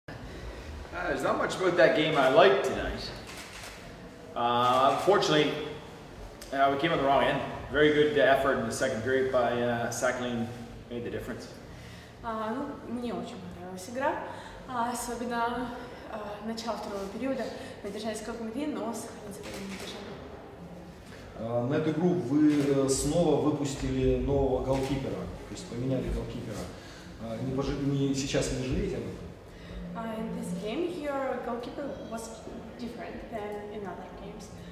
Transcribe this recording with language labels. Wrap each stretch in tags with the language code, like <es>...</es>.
<en>There's not much about that game I liked tonight. Unfortunately, we came at the wrong end. Very good effort in the second period by Sakhalin made the difference.</en> <ru>Ну, мне очень понравилась игра, особенно начало второго периода. Мы держались как могли, но Сахалинцы не держали. На эту игру вы снова выпустили нового голкипера, то есть поменяли голкипера. Сейчас не жалеете об этом?</ru> <en>In this game, your goalkeeper was different than in other games.</en>